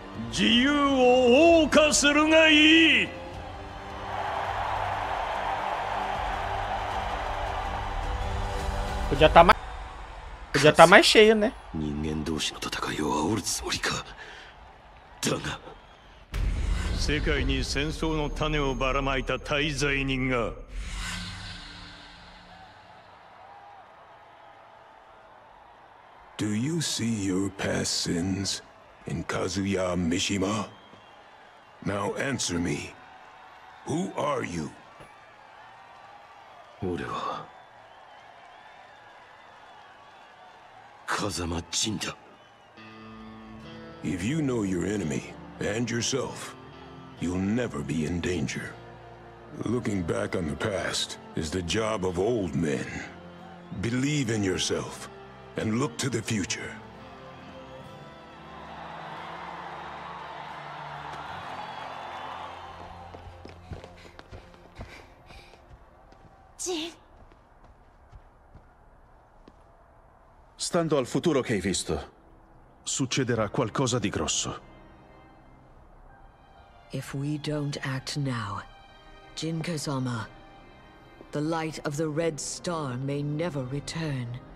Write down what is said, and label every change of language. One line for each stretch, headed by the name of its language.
Japanese: この大会で勝ち上がった国には相応の待遇を与えてやろう。おし。力による自由を謳歌するがいい。
Portuguese: podia estar mais cheio, né?
Japanese: 人間同士の戦いを煽るつもりか。だが。
English: Do you see your past sins in Kazuya Mishima? Now answer me. Who are you?
Japanese: Orewa Kazama Jinda.
English: If you know your enemy and yourself, you'll never be in danger. Looking back on the past is the job of old men. Believe in yourself and look to the future. Jin.
Italian: Stando al futuro che hai visto, succederà qualcosa di grosso.
English: If we don't act now, Jin Kazama, the light of the Red Star may never return.